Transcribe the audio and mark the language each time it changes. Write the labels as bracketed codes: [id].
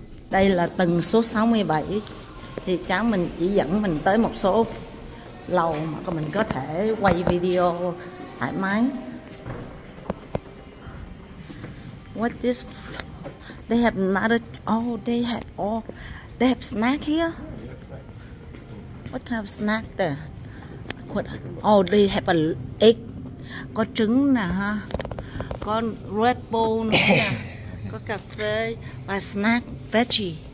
[vi] Đây là tầng số 67, thì cháu mình chỉ dẫn mình tới một số lầu mà mình có thể quay video thoải mái. [en] What this? They have another, oh, they have snack here? What kind of snack there? Oh, they have an egg, [vi] có trứng nè ha, có Red Bull nữa nè. Có cà phê và snack veggie.